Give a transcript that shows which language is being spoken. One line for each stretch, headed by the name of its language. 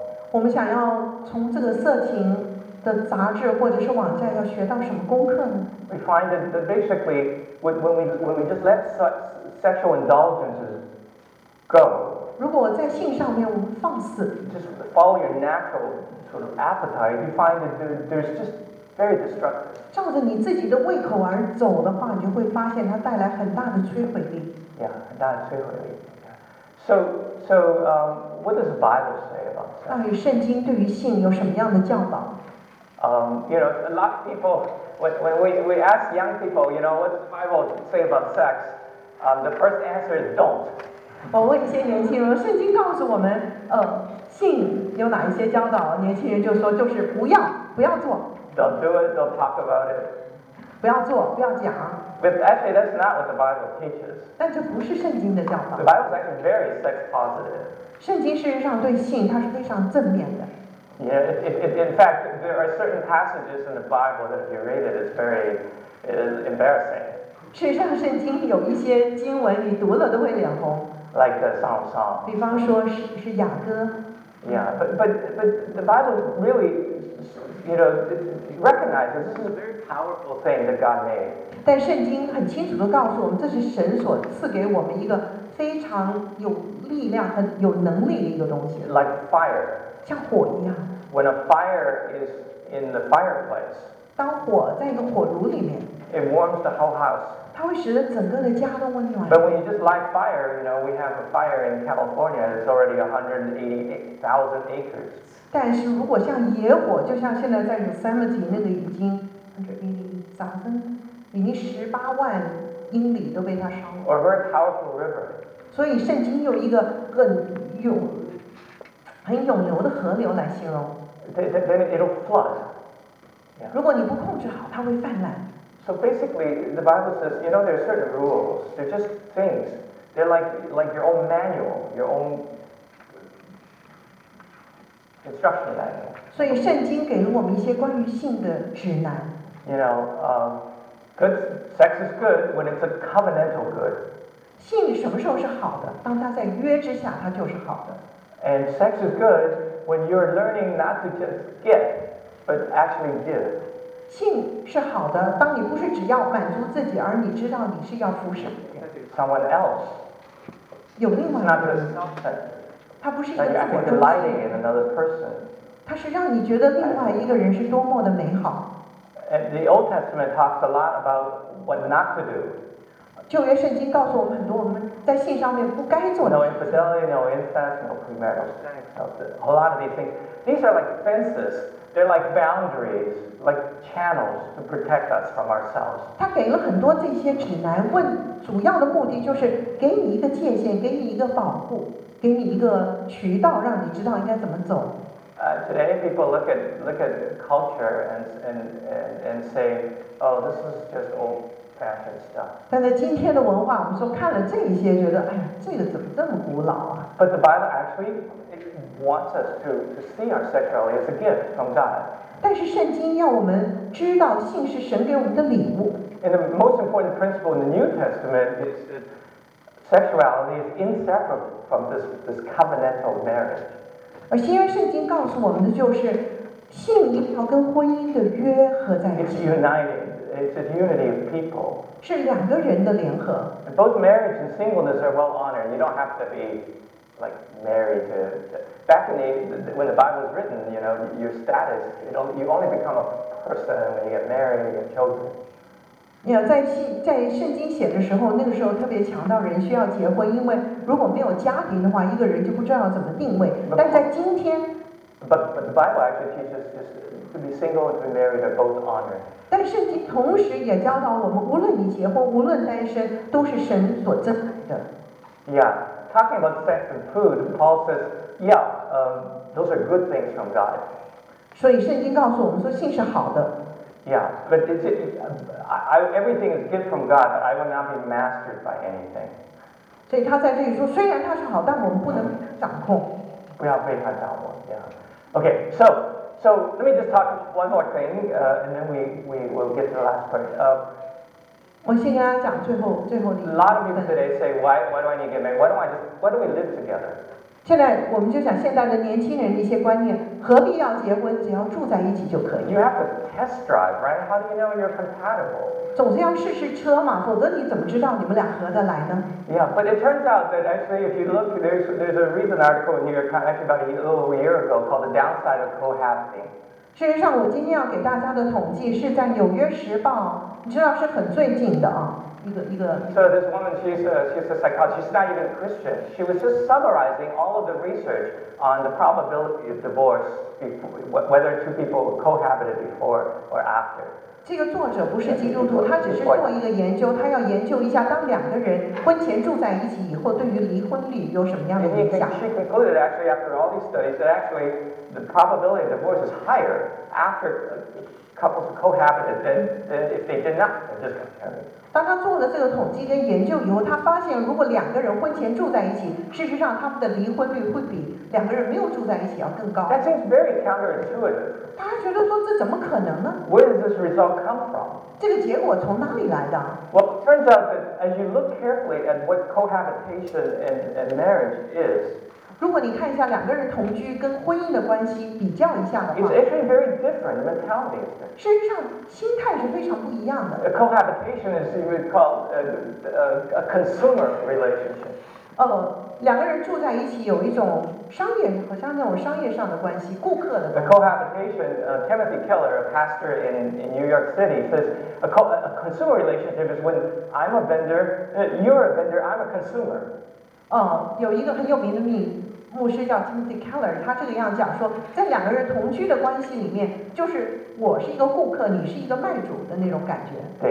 Chinese: 我们想要从这个色情的杂志或者是网站要学到什么功课呢？
English: We find that basically, when we just let sexual indulgences go,
Chinese: 如果在性上面我们放肆
English: just follow your natural sort of appetite, you find that there's just very destructive.
Chinese: 照着你自己的胃口而走的话，你就会发现它带来很大的摧毁力。 Yeah, 很大的摧毁力。
English: So, what does the Bible say about sex?
Chinese: 到底圣经对于性有什么样的教导？
English: You know, a lot of people, when we ask young people, you know, what does the Bible say about sex? The first answer is don't.
Chinese: 我问一些年轻人，圣经告诉我们，性有哪一些教导？年轻人就说，就是不要，不要做。
English: Don't do it. Don't talk about it.
Chinese: 不要做，不要讲。
English: But actually, that's not what the Bible teaches.
Chinese: 但这不是圣经的教导。
English: The Bible is actually very sex positive.
Chinese: 圣经事实上对性它是非常正面的。
English: Yeah, in fact, there are certain passages in the Bible that if you read it, it is embarrassing.
Chinese: 事实上，圣经有一些经文你读了都会脸红。
English: Like the Song of Songs.
Chinese: 比方说是雅歌。
English: Yeah, but the Bible really, you know, recognizes this is a very powerful thing that God made.
Chinese: 但圣经很清楚地告诉我们，这是神所赐给我们一个非常有力量、很有能力的一个东西。
English: Like fire.
Chinese: 像火一样。
English: When a fire is in the fireplace,
Chinese: 当火在一个火炉里面
English: it warms the whole house.
Chinese: 它会使得整个的家都温暖。
English: But when you just light fire, you know, we have a fire in California, it's already 180,000 acres.
Chinese: 但是如果像野火，就像现在在 Yosemite 那个已经 180,000, 已经180,000英里都被它烧了。
English: Or a very powerful river.
Chinese: 所以圣经有一个很有很涌流的河流来形容。
English: Then it'll flood.
Chinese: 如果你不控制好，它会泛滥。
English: So basically, the Bible says, you know, there are certain rules. They're just things. They're like your own manual, your own instruction manual.
Chinese: 所以圣经给了我们一些关于性的指南。
English: You know, good sex is good when it's a covenantal good.
Chinese: 性什么时候是好的？当它在约之下，它就是好的。
English: And sex is good when you're learning not to just get, but actually give.
Chinese: 性是好的，当你不是只要满足自己，而你知道你是要服侍
English: someone else.
Chinese: 有另外一个
English: not just self-centered.
Chinese: 它不是一个自我中心。
English: Like delighting in another person.
Chinese: 它是让你觉得另外一个人是多么的美好。
English: And the Old Testament talks a lot about what not to do.
Chinese: 旧约圣经告诉我们很多我们在性上面不该做的。
English: No infidelity, no incest, no premarital sex. A lot of these things. These are like fences. They're like boundaries, like channels to protect us from ourselves.
Chinese: 他给了很多这些指南，问主要的目的就是给你一个界限，给你一个保护，给你一个渠道，让你知道应该怎么走。
English: Today people look at culture and say, oh, this is just old.
Chinese: 但在今天的文化，我们说看了这些，觉得哎呀，这个怎么这么古老啊。
English: But the Bible actually it wants us to see our sexuality as a gift from God.
Chinese: 但是圣经要我们知道性是神给我们的礼物。
English: And the most important principle in the New Testament is that sexuality is inseparable from this covenantal marriage.
Chinese: 而新约圣经告诉我们的就是性一定要跟婚姻的约合在一起。
English: It's united. It's a unity of people.
Chinese: 是两个人的联合。
English: And both marriage and singleness are well honored. You don't have to be like married to. Back in the when the Bible was written, you know, your status, you only become a person when you get married and you have children.
Chinese: 你要在圣经写的时候，那个时候特别强调人需要结婚，因为如果没有家庭的话，一个人就不知道怎么定位。但在今天。
English: But the Bible actually teaches just to be single and to be married are both honored.
Chinese: 但圣经同时也教导我们，无论你结婚，无论单身，都是神所珍爱的。
English: Yeah, talking about sex and food, Paul says, yeah, those are good things from God.
Chinese: 所以圣经告诉我们说，性是好的。
English: Yeah, but everything is gift from God, but I will not be mastered by anything.
Chinese: 所以他在这里说，虽然它是好，但我们不能掌控。不要被他掌控。Yeah.
English: Okay, so let me just talk one more thing, and then we will get to the last part.
Chinese: 我先跟大家讲最后的一个。
English: A lot of people today say, why do I need to get married? Why don't we live together?
Chinese: 现在我们就讲现在的年轻人的一些观念，何必要结婚？只要住在一起就可以。
English: You have to test drive, right? How do you know you're compatible?
Chinese: 总是要试试车嘛，否则你怎么知道你们俩合得来呢？
English: Yeah, but it turns out that actually, if you look, there's a recent article in New York Times actually about a little year ago called "The Downside of Cohabiting."
Chinese: 事实上，我今天要给大家的统计是在《纽约时报》，你知道是很最近的啊。
English: So this woman, she's a psychologist. She's not even a Christian. She was just summarizing all of the research on the probability of divorce, before, whether two people cohabited before or after.
Chinese: 这个作者不是基督徒，他只是做一个研究，他要研究一下当两个人婚前住在一起以后，对于离婚率有什么样的影响。
English: She concluded actually after all these studies that actually the probability of divorce is higher after couples cohabited than if they did not. Just comparing.
Chinese: 当他做了这个统计跟研究以后，他发现如果两个人婚前住在一起，事实上他们的离婚率会比两个人没有住在一起要更高。
English: That seems very counterintuitive.
Chinese: 大家觉得说这怎么可能呢？
English: Where does this result come from?
Chinese: 这个结果从哪里来的？
English: Well, it turns out that as you look carefully at what cohabitation and marriage is,
Chinese: 如果你看一下两个人同居跟婚姻的关系比较一下的话，
English: it's actually very different mentality.
Chinese: 事实上心态是非常不一样的。
English: A cohabitation is what you would call a consumer relationship.
Chinese: 两个人住在一起有一种商业，好像那种商业上的关系，顾客的。
English: A cohabitation, Timothy Keller, a pastor in New York City, says a consumer relationship is when I'm a vendor, you're a vendor, I'm a consumer.
Chinese: 有一个很有名的牧师叫 Timothy Keller， 他这个样讲说，在两个人同居的关系里面，就是我是一个顾客，你是一个卖主的那种感觉。